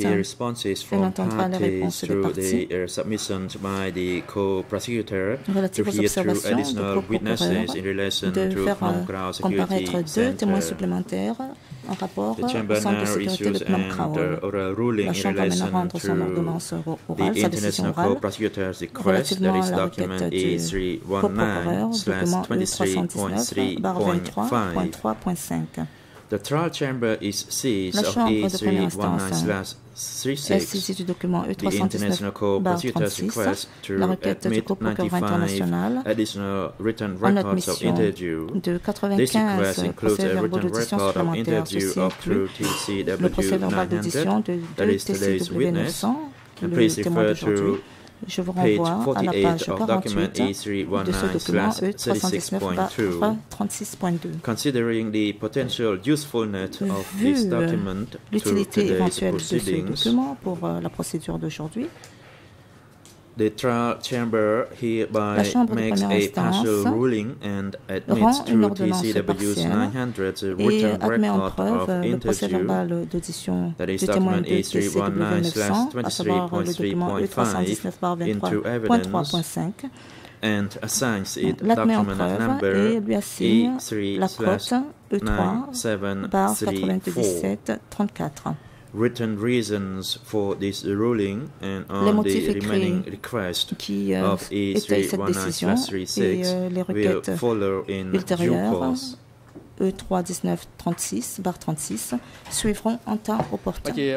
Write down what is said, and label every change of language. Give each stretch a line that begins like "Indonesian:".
French: elle entendra les réponses des parties relatives aux observations du procureur de faire comparaître deux témoins supplémentaires en rapport au Centre de sécurité de Phnom Krahul. La Chambre va maintenant rendre son ordonnance orale, sa décision orale, relativement à la requête du procureur, document 1319-23.3.5.
English: The trial chamber is seized of A319/36.
French: Elle saisit du document E319/36, la requête du procureur international,
English: additional written records of interview.
French: De 95 procès-verbaux d'audition supplémentaires, ceci inclut le procès-verbal d'audition de TCW-900, le témoin d'aujourd'hui. Je vous renvoie à la page 48 de ce document E319/36.2. Vu l'utilité éventuelle de ce document pour la procédure d'aujourd'hui,
English: the trial chamber hereby makes a partial ruling and admits to TCW-900's written record of interview, that is document E319/23.5, into evidence, and assigns it document number E3/97/34. Written reasons for this ruling and on
French: les motifs
English: the remaining request
French: qui,
English: of E319/36 will follow in due course.
French: E319/36/36 suivront en temps opportun.